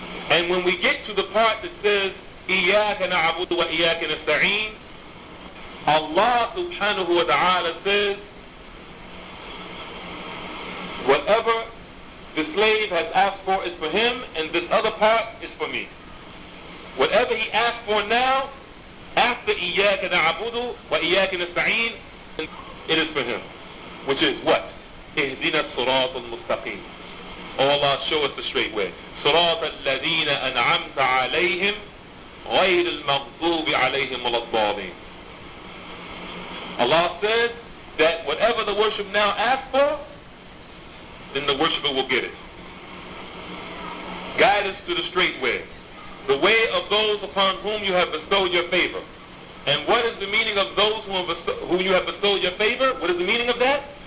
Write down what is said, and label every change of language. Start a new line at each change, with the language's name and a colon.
English: And when we get to the part that says,
Arabic: إِيَّاكَ نَعَبُدُ وَإِيَّاكَ نَسْتَعِينَ,
English: Allah subhanahu wa ta'ala says, whatever the slave has asked for is for him, and this other part is for me. Whatever he asks for now, after
Arabic: إِيَّاكَ نَعَبُدُ وَإِيَّاكَ نَسْتَعِينَ,
English: it is for him. Which is what?
Arabic: اِهْدِنَا الصِّرَاطُ الْمُسْتَقِيمُ.
English: Oh Allah, show us the straight way.
Arabic: صراط الذين أنعمت عليهم غير المغضوب عليهم ولا الضالين.
English: Allah says that whatever the worshipper now asks for, then the worshipper will get it. Guide us to the straight way, the way of those upon whom you have bestowed your favor. And what is the meaning of those whom you have bestowed your favor? What is the meaning of that?